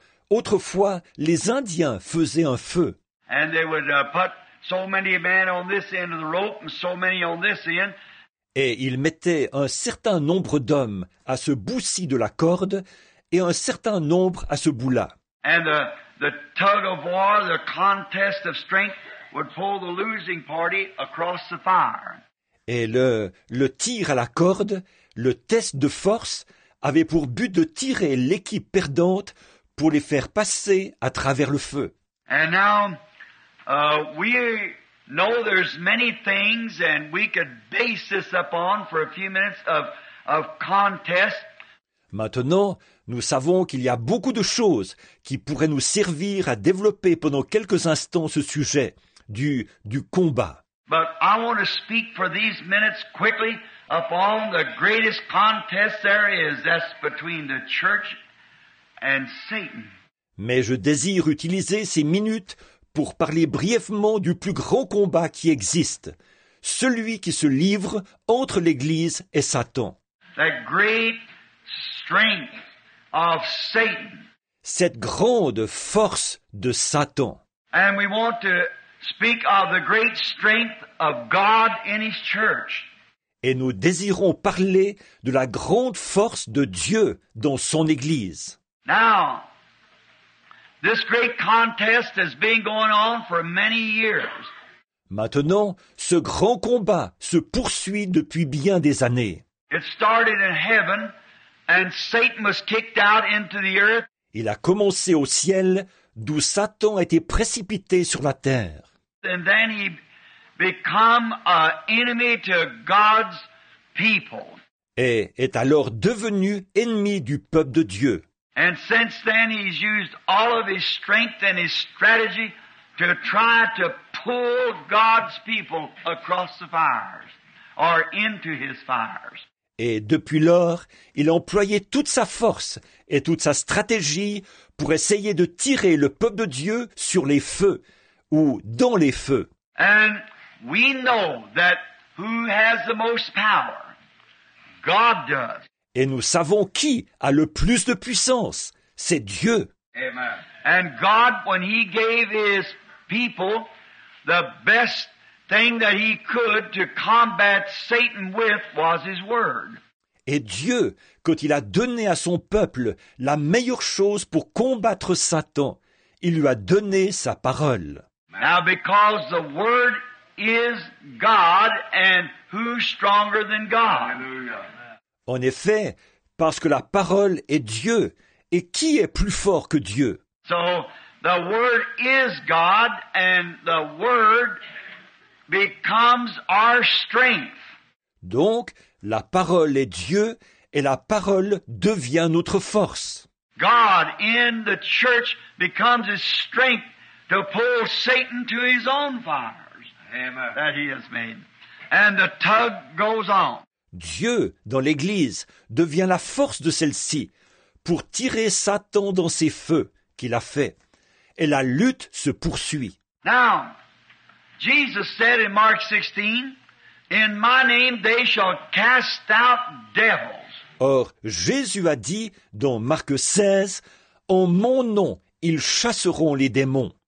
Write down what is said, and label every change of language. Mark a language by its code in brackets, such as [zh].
[fr] Autrefois, les Indiens faisaient un feu. [en] And they would put so many men on this end of the rope and so many on this end. [fr] Et ils mettaient un certain nombre d'hommes à ce bout-ci de la corde et un certain nombre à ce bout-là. [en] And the tug of war, the contest of strength, would pull the losing party across the fire. [fr] Et le tir à la corde, le test de force, avait pour but de tirer l'équipe perdante pour les faire passer à travers le feu. [en] And now, we know there's many things and we could base this upon for a few minutes of contest. [fr] Maintenant, nous savons qu'il y a beaucoup de choses qui pourraient nous servir à développer pendant quelques instants ce sujet du combat. [en] But I want to speak for these minutes quickly upon the greatest contest there is, that's between the church and Satan. [fr] Mais je désire utiliser ces minutes pour parler brièvement du plus grand combat qui existe, celui qui se livre entre l'Église et Satan. [en] The great strength of Satan. [fr] Cette grande force de Satan. [en] And we want to speak of the great strength of God in His church. [fr] Et nous désirons parler de la grande force de Dieu dans son Église. [en] Now, this great contest has been going on for many years. [fr] Maintenant, ce grand combat se poursuit depuis bien des années. [en] It started in heaven, and Satan was kicked out into the earth. [fr] Il a commencé au ciel, d'où Satan a été précipité sur la terre. [en] And then he become an enemy to God's people. [fr] Et est alors devenu ennemi du peuple de Dieu. [en] And since then, he's used all of his strength and his strategy to try to pull God's people across the fires, or into his fires. [fr] Et depuis lors, il a employé toute sa force et toute sa stratégie pour essayer de tirer le peuple de Dieu sur les feux, ou dans les feux. [en] And we know that who has the most power? God does. [fr] Et nous savons qui a le plus de puissance, c'est Dieu. [en] Amen. And God, when he gave his people the best thing that he could to combat Satan with was his word. [fr] Et Dieu, quand il a donné à son peuple la meilleure chose pour combattre Satan, il lui a donné sa parole. [en] Now because the word is God, and who's stronger than God? Hallelujah. [fr] En effet, parce que la parole est Dieu, et qui est plus fort que Dieu? [en] So, the word is God, and the word becomes our strength. [fr] Donc, la parole est Dieu, et la parole devient notre force. [en] God in the church becomes his strength to pull Satan to his own fires. Amen. That he has made. And the tug goes on. [fr] Dieu, dans l'Église, devient la force de celle-ci pour tirer Satan dans ses feux qu'il a fait. Et la lutte se poursuit. [en] Now, Jesus said in Mark 16, in my name they shall cast out devils. [fr] Or, Jésus a dit dans Marc 16, en mon nom, ils chasseront les démons.